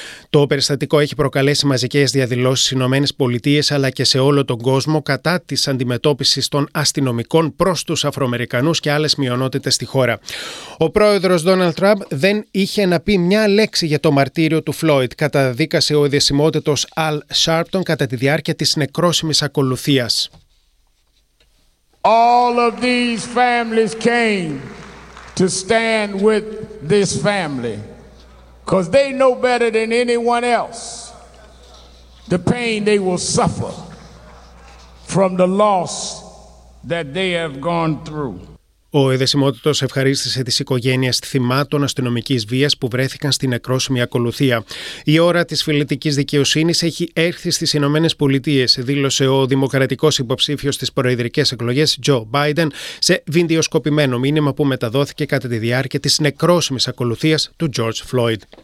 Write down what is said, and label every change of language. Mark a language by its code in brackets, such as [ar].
[el] Το περιστατικό έχει προκαλέσει μαζικές διαδηλώσεις στις Ηνωμένες Πολιτείες αλλά και σε όλο τον κόσμο κατά της αντιμετώπισης των αστυνομικών προς τους Αφροαμερικανούς και άλλες μειονότητες στη χώρα. Ο πρόεδρος Donald Trump δεν είχε να πει μια λέξη για το μαρτύριο του Floyd, καταδίκασε ο διασημότητος Al Sharpton κατά τη διάρκεια της νεκρόσιμης ακολουθίας. [en] All of these families came to stand with this family because they know better than anyone else the pain they will suffer from the loss that they have gone through. [el] Ο ειδεσιμότητος ευχαρίστησε τις οικογένειες θυμάτων αστυνομικής βίας που βρέθηκαν στην νεκρόσιμη ακολουθία. Η ώρα της φυλετικής δικαιοσύνης έχει έρθει στις Ηνωμένες Πολιτείες, δήλωσε ο δημοκρατικός υποψήφιος στις προεδρικές εκλογές, Τζο Μπάιντεν, σε βιντεοσκοπημένο μήνυμα που μεταδόθηκε κατά τη διάρκεια της νεκρόσιμης ακολουθίας του George Floyd.